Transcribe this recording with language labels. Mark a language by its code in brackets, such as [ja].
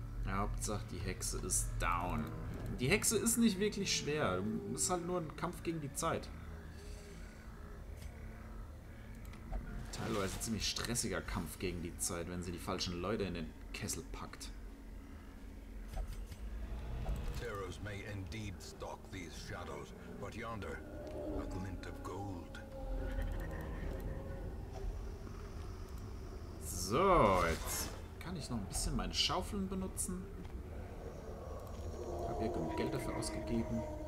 [de] Hauptsache die Hexe ist down. Die Hexe ist nicht wirklich schwer. Es ist halt nur ein Kampf gegen die Zeit. Teilweise ein ziemlich stressiger Kampf gegen die Zeit, wenn sie die falschen Leute in den Kessel packt. [en] Terrors may indeed stalk these shadows, but yonder a glint of gold. [de] So, jetzt kann ich noch ein bisschen meine Schaufeln benutzen. Ich habe hier genug Geld dafür ausgegeben.